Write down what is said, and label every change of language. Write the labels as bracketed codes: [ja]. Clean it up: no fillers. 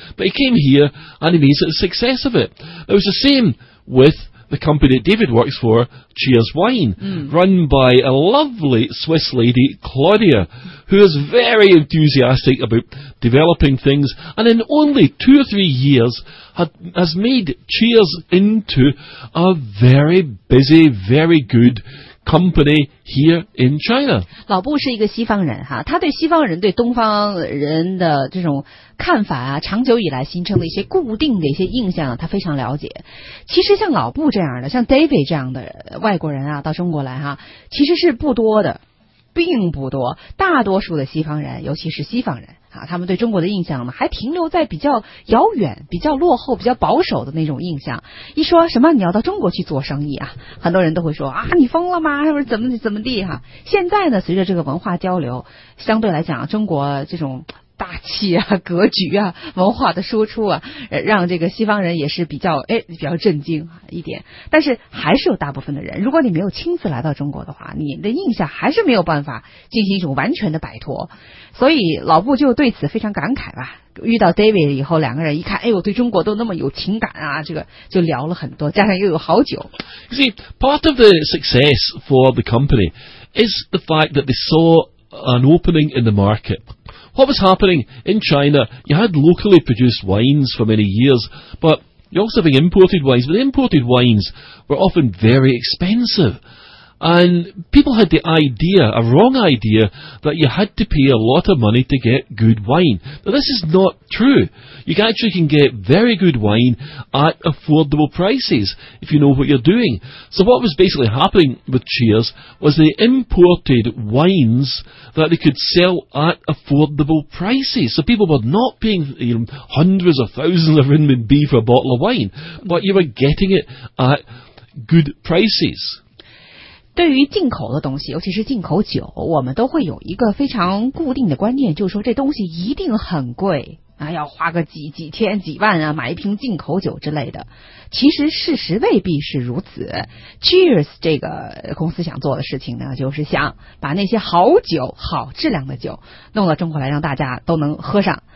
[en] But he came here, and he made the success of it. It was the same with the company that David works for, Cheers Wine, run by a lovely Swiss lady, Claudia, who is very enthusiastic about developing things, and in only 2 or 3 years has made Cheers into a very busy, very good company here in China. [zh] 老布是一个西方人哈，他对西方人对东方人的这种看法啊，长久以来形成的一些固定的一些印象，他非常了解。其实像老布这样的，像 David 这样的外国人啊，到中国来哈，其实是不多的，并不多。大多数的西方人，尤其是西方人啊，他们对中国的印象呢，还停留在比较遥远、比较落后、比较保守的那种印象。一说什么你要到中国去做生意啊，很多人都会说啊，你疯了吗？是不是怎么地哈？现在呢，随着这个文化交流，相对来讲，中国这种大气啊、格局啊、文化的输出啊，让这个西方人也是比较震惊啊一点。但是还是有大部分的人，如果你没有亲自来到中国的话，你的印象还是没有办法进行一种完全的摆脱。所以老布就对此非常感慨吧。遇到 David 以后，两个人一看，哎呦，对中国都那么有情感啊，这个就聊了很多，加上又有好酒。 [en] You see, part of the success for the company is the fact that they saw an opening in the market. What was happening in China, you had locally produced wines for many years, but you're also having imported wines, but the imported wines were often very expensive. And people had the idea, a wrong idea, that you had to pay a lot of money to get good wine. But this is not true. You actually can get very good wine at affordable prices, if you know what you're doing. So what was basically happening with Cheers was they imported wines that they could sell at affordable prices. So people were not paying, you know, hundreds of thousands of renminbi for a bottle of wine, but you were getting it at good prices. [zh] 对于进口的东西，尤其是进口酒，我们都会有一个非常固定的观念，就是说这东西一定很贵啊，要花个几千几万啊，买一瓶进口酒之类的。其实事实未必是如此。Cheers 这个公司想做的事情呢，就是想把那些好酒、好质量的酒弄到中国来，让大家都能喝上。